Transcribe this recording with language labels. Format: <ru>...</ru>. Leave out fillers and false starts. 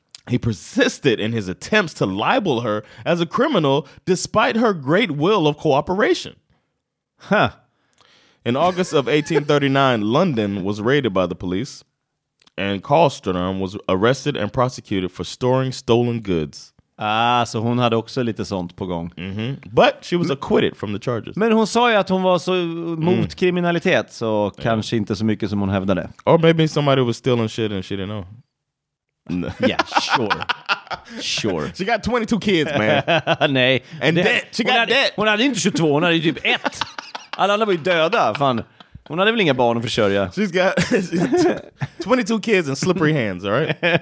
<en>He persisted in his attempts to libel her as a criminal despite her great will of cooperation. Huh. In August of 1839, London was raided by the police, and Karlström was arrested and prosecuted for storing stolen goods.</en> <sv>Ah, så hon hade också lite sånt på gång. Mm-hmm.</sv> <en>But she was acquitted from the charges.</en> <sv>Men hon sa ju att hon var så mot kriminalitet, så kanske inte så mycket som hon hävdade.</sv> <en>Or maybe somebody was stealing shit and she didn't know. Yeah, sure. She got 22 kids, man.</en> <sv>Nej.</sv> <en>And det, debt. She got debt.</en> <sv>Hon hade inte 22, hon hade typ 1. Alla andra var ju döda, fan. Hon hade väl inga barn att försörja.</sv> <en>She's got 22 kids and slippery hands, all right?</en>